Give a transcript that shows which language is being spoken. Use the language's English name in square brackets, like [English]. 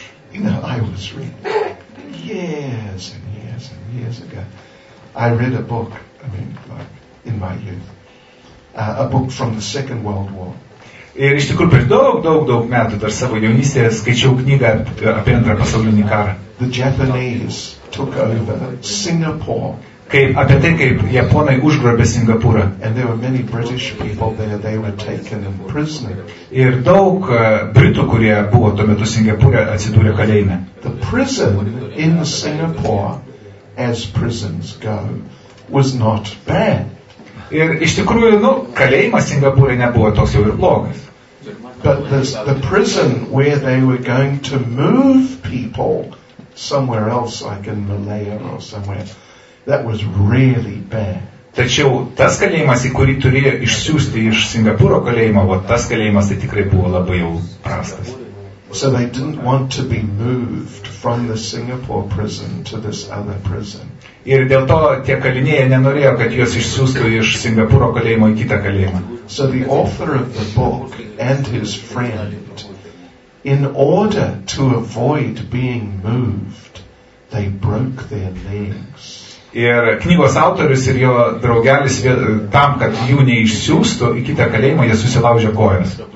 [English] You know, I was reading years and years and years ago. I read a book, in my youth. A book from the Second World War. [Lithuanian] Ir iš tikrųjų prieš daug metų dar savo jaunystėje skaičiau knygą apie antrą pasaulinį karą. [English] The Japanese took over Singapore. [Lithuanian] Kaip Japonai užgrobė Singapūrą. [English] And there were many British people there, they were taken in prisoner. [Lithuanian] Ir daug Britų, kurie buvo tuo metu Singapūre, atsidūrė kalėjime. [English] The prison in Singapore, as prisons go, was not bad. [Lithuanian] Ir iš tikrųjų, kalėjimas Singapūre nebuvo toks jau ir blogas. [English] But the prison where they were going to move people somewhere else, like in Malaya or somewhere, that was really bad. [Lithuanian] Tačiau tas kalėjimas, į kurį turėjo išsiųsti iš Singapūro kalėjimo, vat tas kalėjimas tai tikrai buvo labai jau prastas. [English] So they didn't want to be moved from the Singapore prison to this other prison. [Lithuanian] Ir dėl to tie kalinėje nenorėjo, kad juos išsiųstų iš Singapūro kalėjimo į kitą kalėjimą. [English] So the author of the book and his friend In order to avoid being moved, they broke their legs. [Lithuanian] Ir knygos autorius ir jo draugelis tam, kad jų neišsiųstų į kitą kalėjimą, jie susilaužė kojas.